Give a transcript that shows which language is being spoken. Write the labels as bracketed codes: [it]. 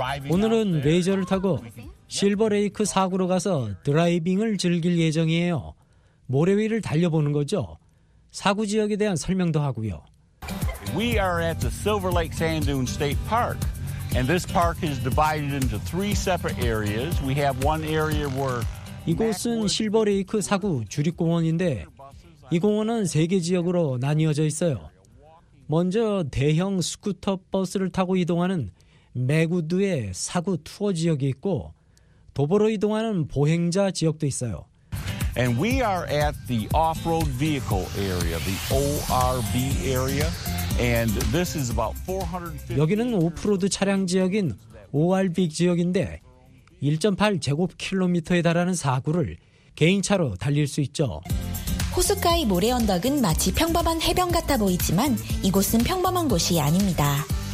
[ko] 오늘은 레이저를 타고 실버레이크 사구로 가서 드라이빙을 즐길 예정이에요. 모래 위를 달려보는 거죠. 사구 지역에 대한 설명도 하고요. [en] We are at the Silver Lake Sand Dune State Park. And this park is divided into three separate areas. We have one area where [ko] 이곳은 실버레이크 사구 주립공원인데 이 공원은 세 개 지역으로 나뉘어져 있어요. 먼저 대형 스쿠터 버스를 타고 이동하는 매구드의 사구 투어 지역이 있고 도보로 이동하는 보행자 지역도 있어요. [en] And we are at the off-road vehicle area, the ORV area. And this is about 450. [ko] 여기는 오프로드 차량 지역인 ORV 지역인데 1.8 제곱킬로미터에 달하는 사구를 개인차로 달릴 수 있죠. 호숫가의 모래 언덕은 마치 평범한 해변 같아 보이지만 이곳은 평범한 곳이 아닙니다.